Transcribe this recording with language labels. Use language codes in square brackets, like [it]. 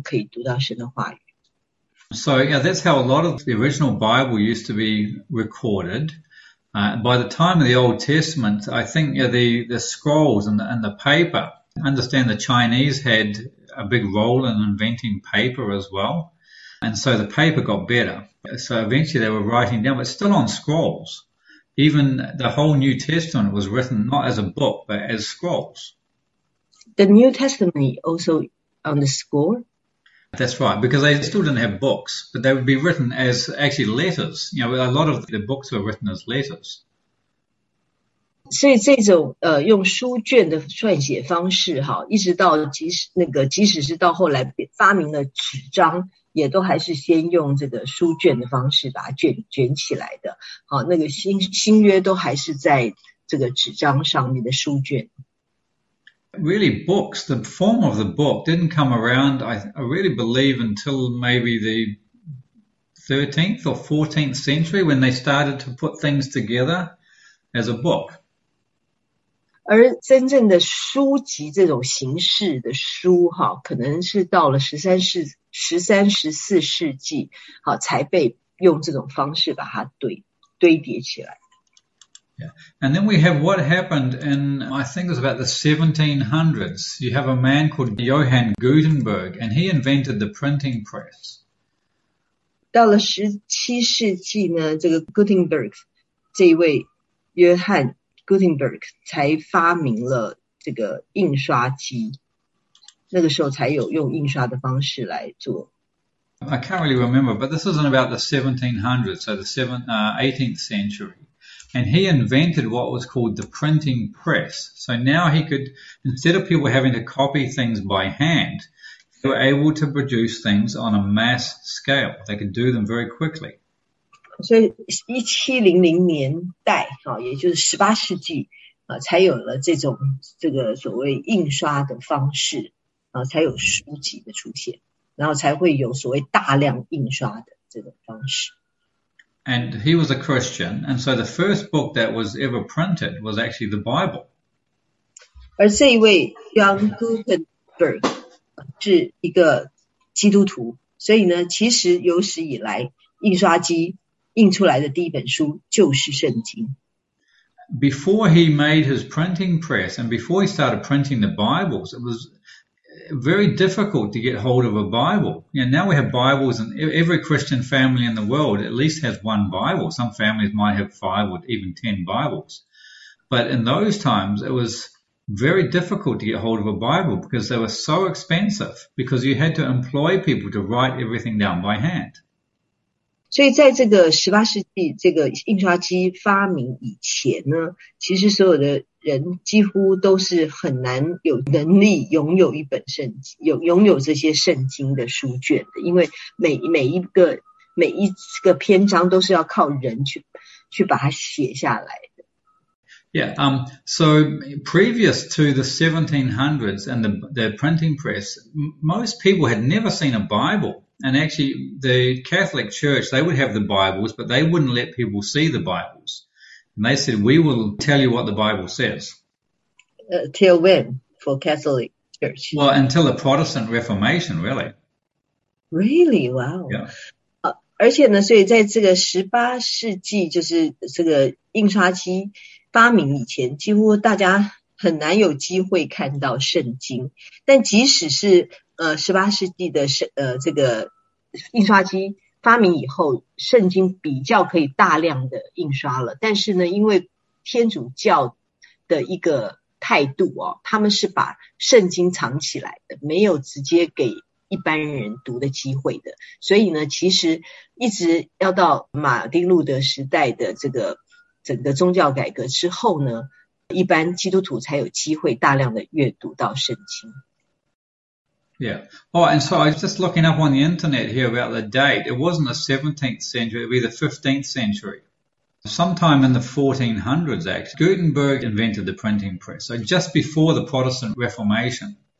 [zh] 这种书写的方式当然不是那么的方便，但是呢，也当时有非常多的人，他是专职的在抄写这些书卷，所以从一个书卷变成10个书卷，那很多书卷，然后被送到各地方去，让大家都可以读到神的话语。 [en] So yeah, that's how a lot of the original Bible used to be recorded. By the time of the Old Testament, I think the scrolls and the paper. Understand the Chinese had a big role in inventing paper as well. And so the paper got better. So eventually they were writing down, but still on scrolls. Even the whole New Testament was written not as a book, but as scrolls. The New Testament also on the score. That's right, because they still didn't have books, but they would be written as actually letters. A lot of the books were written as letters. [zh] 所以这种用书卷的撰写方式哈，一直到即使是到后来发明了纸张，也都还是先用这个书卷的方式把它卷起来的。好，那个新约都还是在这个纸张上面的书卷。 [en] Really, books, the form of the book didn't come around, I really believe, until maybe the 13th or 14th century when they started to put things together as a book. [zh] 而真正的书籍这种形式的书，哈，可能是到了13、14世纪，好，才被用这种方式把它堆叠起来。 [en] And then we have what happened in, I think it was about the 1700s. You have a man called Johann Gutenberg, and he invented the printing press. [zh] 到了17世纪呢，这个 Gutenberg 这一位约翰。 Gutenberg 才发明了这个印刷机，那个时候才有用印刷的方式来做。 [en] I can't really remember, but this isn't about the 1700s, so the 18th century. And he invented what was called the printing press. So now he could, instead of people having to copy things by hand, they were able to produce things on a mass scale. They could do them very quickly. [zh] 所以1700年代啊，也就是18世纪啊，才有了这个所谓印刷的方式啊，才有书籍的出现，然后才会有所谓大量印刷的这种方式。 [en] And he was a Christian, and so the first book that was ever printed was actually the Bible. [zh] 而这一位 John Gutenberg 是一个基督徒，所以呢，其实有史以来印刷机。印出来的第一本书就是圣经。 [en] Before he made his printing press and before he started printing the Bibles, it was very difficult to get hold of a Bible. Now we have Bibles, and every Christian family in the world at least has one Bible. Some families might have five or even 10 Bibles. But in those times, it was very difficult to get hold of a Bible because they were so expensive, because you had to employ people to write everything down by hand. [zh] 所以，在这个18世纪，这个印刷机发明以前呢，其实所有的人几乎都是很难有能力拥有一本圣经，拥有这些圣经的书卷的，因为每一个篇章都是要靠人去把它写下来。 [en] So previous to the 1700s and the printing press, most people had never seen a Bible. And actually, the Catholic Church, they would have the Bibles, but they wouldn't let people see the Bibles. And they said, "We will tell you what the Bible says." Till when for Catholic Church? Well, until the Protestant Reformation, really. Really? Wow！ [zh] 而且呢，所以在这个18世纪，就是这个印刷机发明以前，几乎大家很难有机会看到圣经。但即使是18世纪的这个印刷机发明以后，圣经比较可以大量的印刷了。但是呢，因为天主教的一个态度哦，他们是把圣经藏起来的，没有直接给一般人读的机会的。所以呢，其实一直要到马丁路德时代的这个整个宗教改革之后呢，一般基督徒才有机会大量的阅读到圣经。 [en] Oh, and so I was just looking up on the internet here about the date. It wasn't the 17th century, it'd be the 15th century. Sometime in the 1400s, actually, Gutenberg invented the printing press. So just before the Protestant Reformation.